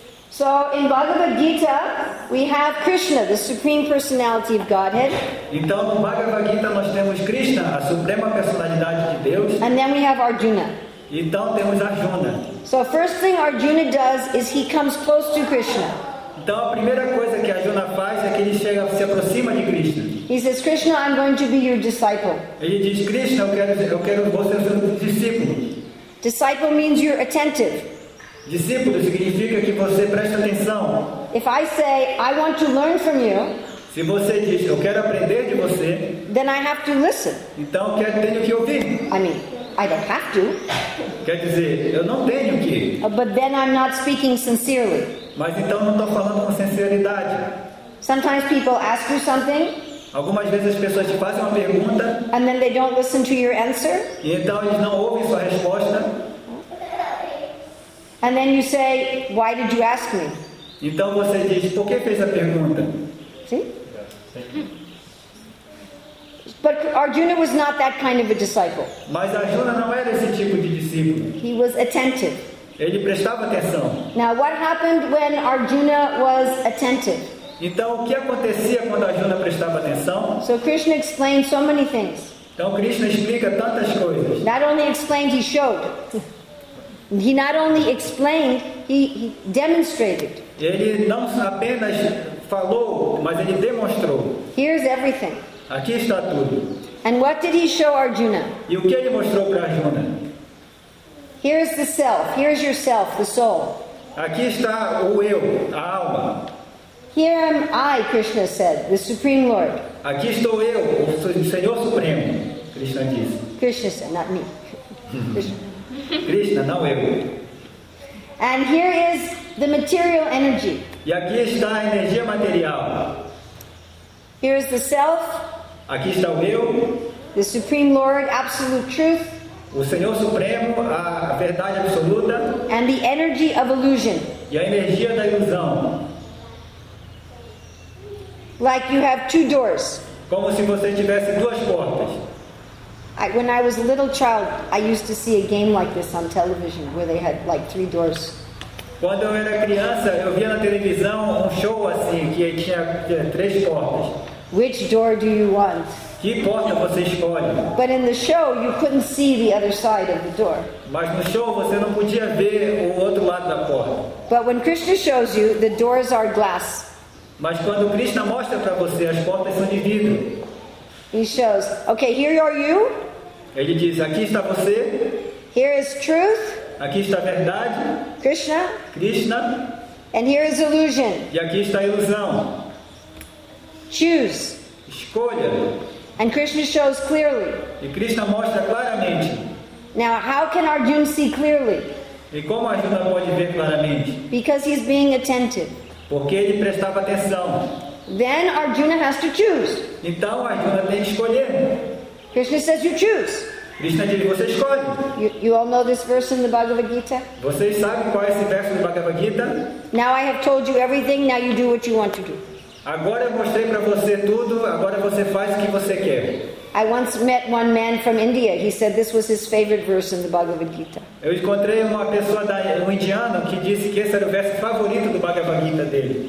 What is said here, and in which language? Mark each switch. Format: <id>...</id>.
<en>So in Bhagavad Gita, we have Krishna, the supreme personality of Godhead.</en> <pt>Então no Bhagavad Gita nós temos Krishna, a suprema personalidade de Deus.</pt> <en>And then we have Arjuna.</en> <pt>Então temos Arjuna.</pt> <en>So first thing Arjuna does is he comes close to Krishna.</en> <pt>Então a primeira coisa que Arjuna faz é que ele chega, se aproxima de Krishna.</pt> <en>He says, Krishna, I'm going to be your disciple.</en> <pt>Ele diz, Krishna, eu quero você ser um discípulo.</pt> <en>Disciple means you're attentive.</en> <pt>Discípulo significa que você presta atenção.</pt> <en>If I say, I want to learn from you,</en> <pt>se você diz, eu quero aprender de você,</pt> <en>then I have to listen.</en> <pt>Então tenho que ouvir.</pt> <en>I mean, I don't have to.</en> <pt>Quer dizer, eu não tenho que.</pt> <en>But then I'm not speaking sincerely.</en> <pt>Mas então não estou falando com sinceridade.</pt> <en>Sometimes people ask you something.</en> <pt>Algumas vezes as pessoas te fazem uma pergunta.</pt> <en>And then they don't listen to your answer.</en> <pt>E então eles não ouvem sua resposta.</pt> <en>And then you say, why did you ask me?</en> <pt>Então você diz, por que fez a pergunta?</pt> <en>But Arjuna was not that kind of a disciple.</en> <pt>Mas Arjuna não era esse tipo de discípulo.</pt> <en>He was attentive.</en> <pt>Ele prestava atenção.</pt> <en>Now, what happened when Arjuna was attentive?</en> <pt>Então, o que acontecia quando Arjuna prestava atenção?</pt> <en>So Krishna explained so many things.</en> <pt>Então, Krishna explica tantas coisas.</pt> <en>Not only explained, he showed. He not only explained, he demonstrated.</en> <pt>Ele não apenas falou, mas ele demonstrou.</pt> <en>Here's everything.</en> <pt>Aqui está tudo.</pt> <en>And what did he show Arjuna?</en> <pt>E o que ele mostrou para Arjuna?</pt> <en>Here's the self. Here's yourself, the soul.</en> <pt>Aqui está o eu, a alma.</pt> <en>Here am I, Krishna said, the Supreme Lord.</en> <pt>Aqui estou eu, o Senhor Supremo, Krishna disse.</pt> <en>Krishna said, not me.</en> <pt>Krishna, não eu.</pt> <en>And here is the material energy.</en> <pt>E aqui está a energia material.</pt> <en>Here is the self.</en> <pt>Aqui está o eu.</pt> <en>The Supreme Lord, absolute truth.</en> <pt>O Senhor Supremo, a verdade absoluta.</pt> <en>And the energy of illusion.</en> <pt>E a energia da ilusão.</pt> <en>Like you have two doors.</en> <pt>Como se você tivesse duas portas.</pt> <en>When I was a little child, I used to see a game like this on television where they had like three doors.</en> <pt>Quando eu era criança, eu via na televisão um show assim que tinha três portas.</pt> <en>Which door do you want?</en> <pt>Que porta você escolhe?</pt> <en>But in the show, you couldn't see the other side of the door.</en> <pt>Mas no show você não podia ver o outro lado da porta.</pt> <en>But when Krishna shows you, the doors are glass.</en> <pt>Mas quando Krishna mostra para você, as portas são de vidro.</pt> <en>He shows, okay, here are you.</en> <pt>Ele diz, aqui está você.</pt> <en>Here is truth.</en> <pt>Aqui está a verdade.</pt> <en>Krishna.</en> <pt>Krishna.</pt> <en>And here is illusion.</en> <pt>E aqui está a ilusão.</pt> <en>Choose.</en> <pt>Escolha.</pt> <en>And Krishna shows clearly.</en> <pt>E Krishna mostra claramente.</pt> <en>Now, how can Arjuna see clearly?</en> <pt>E como Arjuna pode ver claramente?</pt> <en>Because he's being attentive.</en> <pt>Porque ele prestava atenção.</pt> <en>Then Arjuna has to choose.</en> <pt>Então Arjuna tem que escolher.</pt> <en>Krishna says you choose.</en> <pt>Krishna diz, você escolhe.</pt> <en>You all know this verse in the Bhagavad Gita?</en> <pt>Vocês sabem qual é esse verso do Bhagavad Gita?</pt> <en>Now I have told you everything, now you do what you want to do.</en> <pt>Agora eu mostrei para você tudo, agora você faz o que você quer.</pt> <en>I once met one man from India. He said this was his favorite verse in the Bhagavad Gita.</en> <pt>Eu encontrei uma pessoa um indiano que disse que esse era o verso favorito do Bhagavad Gita dele.</pt>